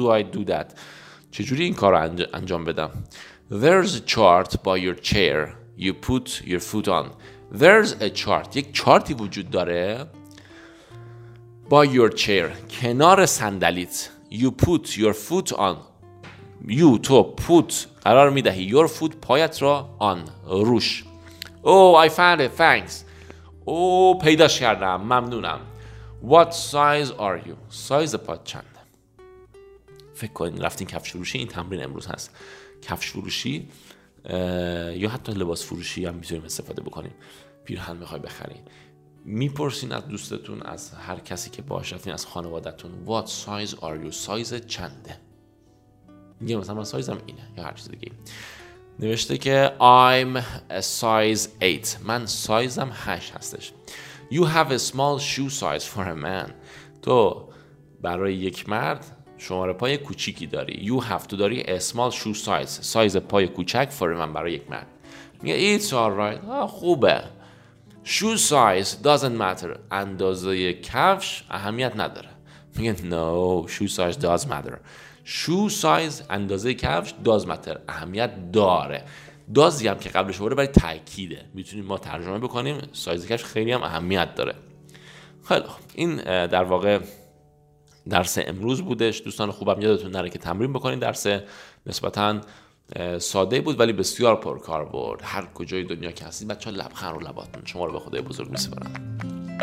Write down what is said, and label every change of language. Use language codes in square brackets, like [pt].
[en] How do I do that؟ [fa] چجوری این کار رو انجام بدم؟ [en] There's a chart by your chair you put your foot on. There's a chart. [fa] یک چارتی وجود داره. [en] By your chair. [fa] کنار صندلیت. [en] You put your foot on. You to put. [fa] قرار میدهی. [en] Your foot [fa] پایت را [en] on. [fa] روش. [en] Oh, I found it. Thanks. [fa] Oh, پیداش کردم. ممنونم. [en] What size are you? [fa] Size پات چند؟ فکر کنین رفتین کفش فروشی. این تمرین امروز هست. کفش فروشی یا حتی لباس فروشی هم میتونیم استفاده بکنیم. پیرهن میخوای بخری، میپرسین از دوستتون، از هر کسی که باهاش رفتین، از خانوادتون [en] What size are you؟ [fa] سایز چنده؟ میگه مثلا من سایزم اینه یا هر چیز دیگه. نوشته که [en] I'm a size 8. [fa] من سایزم 8 هستش. [en] You have a small shoe size for a man. [fa] تو برای یک مرد شماره پای کوچیکی داری. [en] You have to [fa] داری [en] a small shoe size. [fa] سایز پای کوچک [en] for a man [fa] برای یک مرد. میگه [en] It's alright. [fa] خوبه. [en] Shoe size doesn't matter. [fa] اندازه کفش اهمیت نداره. میگه [en] No, shoe size does matter. Shoe size [fa] اندازه کفش [en] does matter. [fa] اهمیت داره. Does هم که قبلش بوده برای تأکیده. میتونیم ما ترجمه بکنیم. سایز کفش خیلی هم اهمیت داره. خیلی این در واقع درس امروز بودش. دوستان خوبم یادتون نره که تمرین بکنین. درس نسبتاً ساده بود ولی بسیار پرکاربرد. هر کجای دنیا که هستید بچه‌ها لبخند رو لباتون. شما رو به خدای بزرگ می‌سپارم.